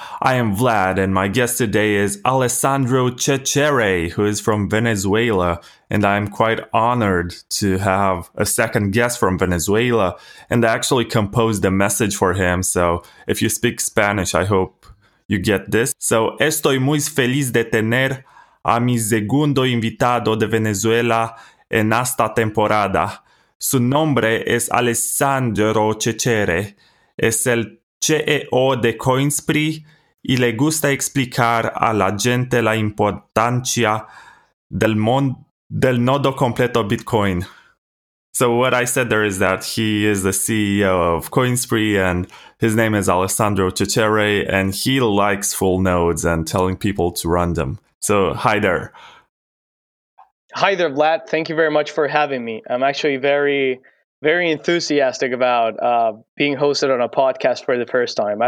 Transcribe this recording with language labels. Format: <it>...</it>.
<en>I am Vlad, and my guest today is Alessandro Cecere, who is from Venezuela, and I'm quite honored to have a second guest from Venezuela, and I actually composed a message for him, so if you speak Spanish, I hope you get this.</en> <es>So, estoy muy feliz de tener a mi segundo invitado de Venezuela en esta temporada. Su nombre es Alessandro Cecere. Es el CEO de Coinspree y le gusta explicar a la gente la importancia del nodo completo Bitcoin.</es> <en>So what I said there is that he is the CEO of Coinspree and his name is Alessandro Cecere and he likes full nodes and telling people to run them. So hi there. Hi there, Vlad. Thank you very much for having me. I'm actually very, very enthusiastic about being hosted on a podcast for the first time.</en>